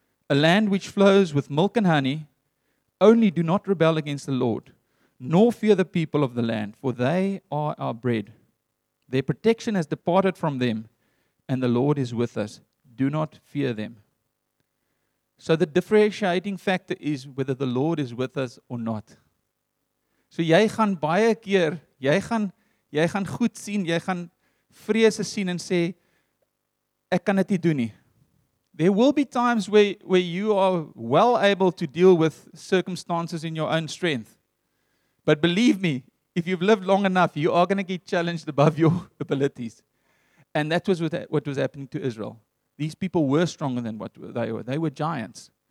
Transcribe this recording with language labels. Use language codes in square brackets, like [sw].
[en] A land which flows with milk and honey. Only do not rebel against the Lord, nor fear the people of the land, for they are our bread. Their protection has departed from them, and the Lord is with us. Do not fear them. So the differentiating factor is whether the Lord is with us or not. [af] So jy gaan baie keer, jy gaan goed sien, jy gaan vrese sien en sê, ek kan dit nie doen nie. [en] There will be times where you are well able to deal with circumstances in your own strength. But believe me, if you've lived long enough, you are going to get challenged above your abilities. And that was what was happening to Israel. These people were stronger than what they were. They were giants.